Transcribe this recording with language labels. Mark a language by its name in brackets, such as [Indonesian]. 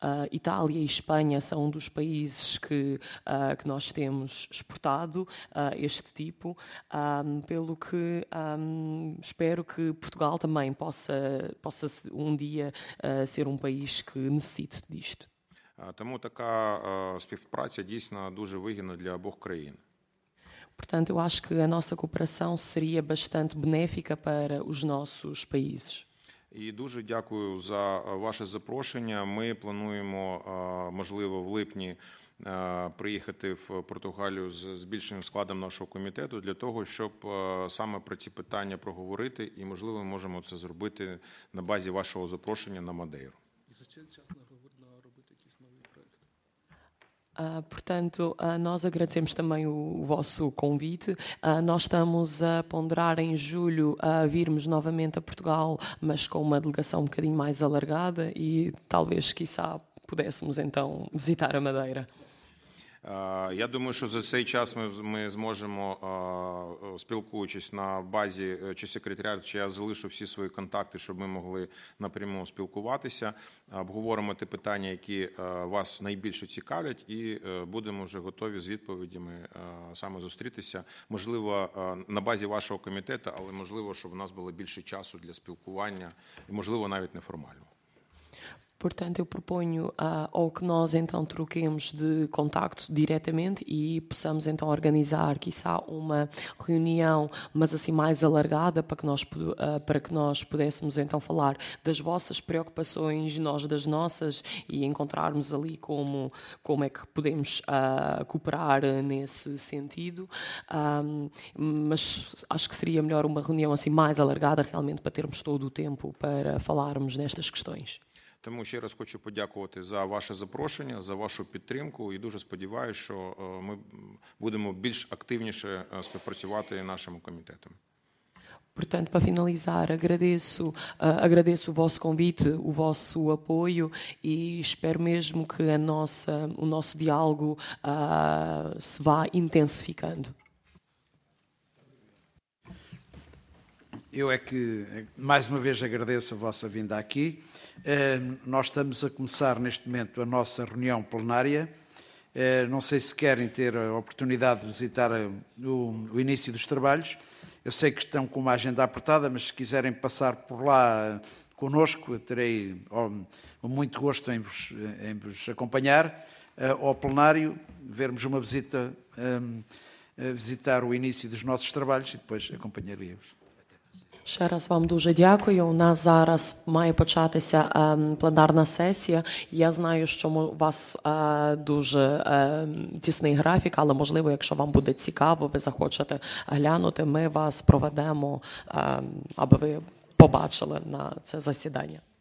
[Portuguese] Itália e Espanha são um dos países que nós temos exportado este tipo, pelo que espero que Portugal também possa um dia ser um país que necessite disto. [Ukrainian] Тому така співпраця дійсно дуже вигідна для обох країн. [Portuguese] Portanto, eu acho que a nossa cooperação seria bastante benéfica para os nossos países. [Ukrainian] E дуже дякую за ваше запрошення. Ми плануємо, можливо, в липні приїхати в Португалію з збільшеним складом нашого комітету для того, щоб саме про ці питання проговорити, і, можливо, ми можемо це зробити на базі вашого запрошення на Мадейру. [Portuguese] Portanto, nós agradecemos também o vosso convite. Nós estamos a ponderar em julho virmos novamente a Portugal, mas com uma delegação um bocadinho mais alargada e talvez, quiçá, pudéssemos então visitar a Madeira. [Ukrainian] Я думаю, що за цей час ми зможемо, спілкуючись на базі чи секретаріату, чи я залишу всі свої контакти, щоб ми могли напряму спілкуватися, обговоримо ті питання, які вас найбільше цікавлять, і будемо вже готові з відповідями саме зустрітися, можливо, на базі вашого комітету, але можливо, щоб у нас було більше часу для спілкування, і можливо, навіть неформально. [Portuguese] Portanto, eu proponho ou que nós então troquemos de contacto diretamente e possamos então organizar, quiçá, uma reunião, mas assim mais alargada, para que nós pudéssemos então falar das vossas preocupações, nós das nossas, e encontrarmos ali como é que podemos cooperar nesse sentido. Mas acho que seria melhor uma reunião assim mais alargada, realmente para termos todo o tempo para falarmos nestas questões. [Ukrainian] Тому ще раз хочу подякувати за ваше запрошення, за вашу підтримку і дуже сподіваюся, що ми будемо більш активніше співпрацювати з нашим комітетом. [Portuguese] Portanto, para finalizar, agradeço o vosso convite, o vosso apoio e espero mesmo que o nosso diálogo se vá intensificando. Eu é que mais uma vez agradeço a vossa vinda aqui. Nós estamos a começar neste momento a nossa reunião plenária. Não sei se querem ter a oportunidade de visitar o início dos trabalhos. Eu sei que estão com uma agenda apertada, mas se quiserem passar por lá connosco, terei muito gosto em vos acompanhar ao plenário, vermos uma visita, visitar o início dos nossos trabalhos e depois acompanharia-vos. [Ukrainian] Ще раз вам дуже дякую. У нас зараз має початися пленарна сесія. Я знаю, що у вас дуже тісний графік, але, можливо, якщо вам буде цікаво, ви захочете глянути, ми вас проведемо, аби ви побачили на це засідання.